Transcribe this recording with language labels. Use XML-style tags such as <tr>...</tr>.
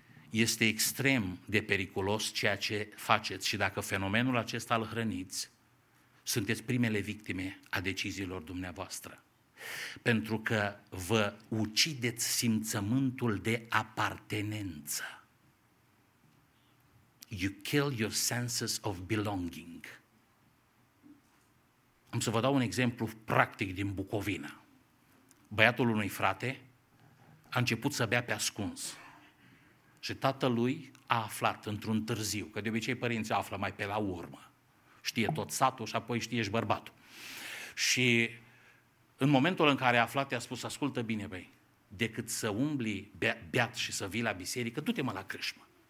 <ro>Este extrem de periculos ceea ce faceți și dacă fenomenul acesta îl hrăniți, sunteți primele victime a deciziilor dumneavoastră. Pentru că vă ucideți simțământul de apartenență.</ro> <en>You kill your senses of belonging.</en> <ro>Am să vă dau un exemplu practic din Bucovina. Băiatul unui frate a început să bea pe ascuns. Și tatălui a aflat într-un târziu, că de obicei părinții află mai pe la urmă. Știe tot satul și apoi știe și bărbatul. Și în momentul în care a aflat, i-a spus, ascultă bine, băi, decât să umbli beat și să vii la biserică, du-te mă la crâșmă.</ro>